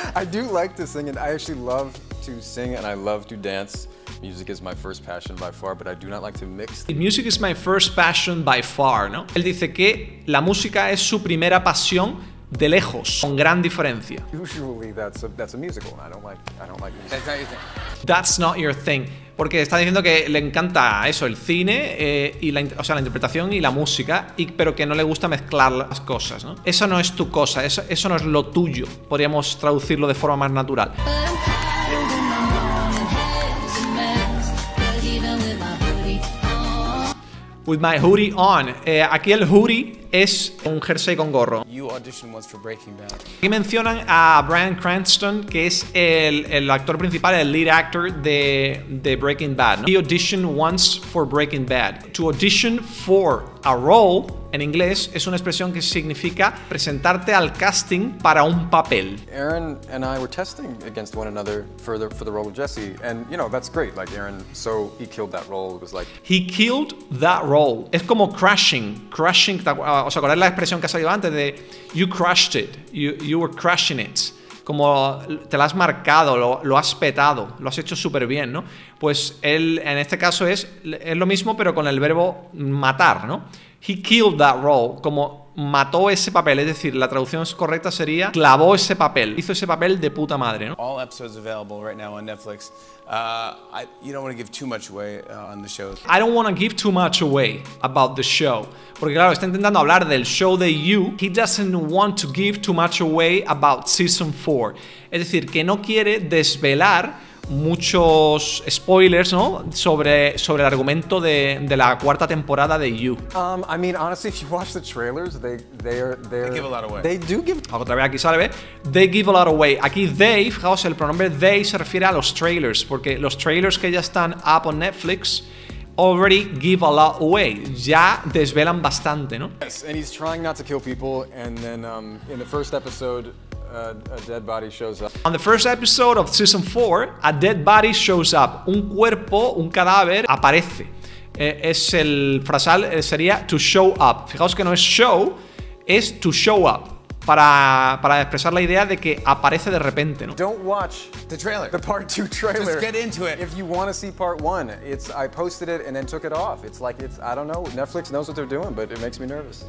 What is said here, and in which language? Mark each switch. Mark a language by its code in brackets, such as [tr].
[en] I do like to sing and I actually love to sing and I love to dance. Music is my first passion by far, but I do not like to mix. Music is my first passion by far, [es] ¿no? Él dice que la música es su primera pasión. De lejos, con gran diferencia. [en] Usually that's a musical. I don't like music. That's not your thing. That's not your thing. [es] Porque está diciendo que le encanta eso, el cine, y la, o sea, la interpretación y la música, y, pero que no le gusta mezclar las cosas, ¿no? Eso no es tu cosa, eso no es lo tuyo. Podríamos traducirlo de forma más natural. [en] With my hoodie on. [es] Aquí el hoodie es un jersey con gorro. [en] You auditioned once for Breaking Bad. [es] Aquí mencionan a Bryan Cranston, que es el actor principal, el lead actor de Breaking Bad, ¿no? [en] He auditioned once for Breaking Bad. To audition for a role, [es] en inglés, es una expresión que significa presentarte al casting para un papel. [en] Aaron and I were testing against one another for the role of Jesse. And, you know, that's great. Like, Aaron, so he killed that role. It was like... He killed that role. [es] Es como crushing. ¿Os acordáis la expresión que ha salido antes de [en] you crushed it, you were crushing it? [es] Como te lo has marcado, lo has petado, lo has hecho súper bien, ¿no? Pues él, en este caso es lo mismo, pero con el verbo matar, ¿no? [en] He killed that role, [es] como mató ese papel. Es decir, la traducción correcta sería clavó ese papel, hizo ese papel de puta madre, ¿no? [en] All episodes available right now on Netflix. You don't want to give too much away on the show. I don't want to give too much away about the show. [es] Porque claro, está intentando hablar del show de You. [en] He doesn't want to give too much away about season 4. [es] Es decir, que no quiere desvelar muchos spoilers, ¿no? Sobre el argumento de la cuarta temporada de You. [en] I mean, honestly, if you watch the trailers, they give a lot away. They do give. [es] Otra vez aquí sale, [en] they give a lot away. [es] Aquí they, fijaos, el pronombre they se refiere a los trailers, porque los trailers que ya están [en] up on Netflix already give a lot away. [es] Ya desvelan bastante, ¿no? [en] Yes, and he's trying not to kill people, and then in the first episode. A dead body shows up. On the first episode of season 4, a dead body shows up. [es] Un cuerpo, un cadáver, aparece. Es el frasal, sería [en] to show up. [es] Fijaos que no es show, es [en] to show up. [es] Para expresar la idea de que aparece de repente, ¿no? [en] Don't watch the trailer. The part 2 trailer. Just get into it. If you want to see part 1, it's I posted it and then took it off. It's like it's I don't know, Netflix knows what they're doing, but it makes me nervous.